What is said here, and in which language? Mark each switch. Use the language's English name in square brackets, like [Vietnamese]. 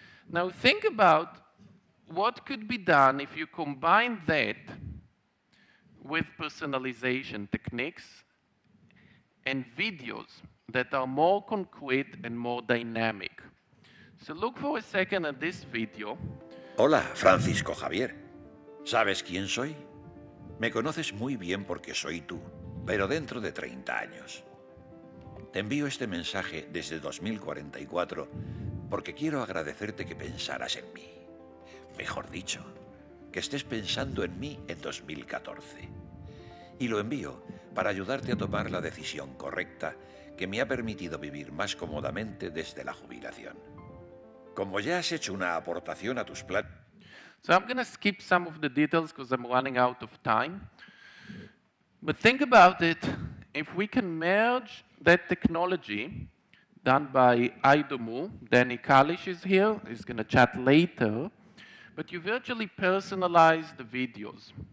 [English] Now think about what could be done if you combine that with personalization techniques and videos that are more concrete and more dynamic. So look for a second at this video. [Spanish] Hola, Francisco Javier. ¿Sabes quién soy? Me conoces muy bien porque soy tú, pero dentro de 30 años. Te envío este mensaje desde 2044 porque quiero agradecerte que pensaras en mí. Mejor dicho, que estés pensando en mí en 2014. Y lo envío para ayudarte a tomar la decisión correcta que me ha permitido vivir más cómodamente desde la jubilación. Como ya has hecho una aportación a tus planes. [English] So I'm going to skip some of the details because I'm running out of time. But think about it. If we can merge that technology done by Aidomu, Danny Kalish is here, he's going to chat later, but you virtually personalize the videos.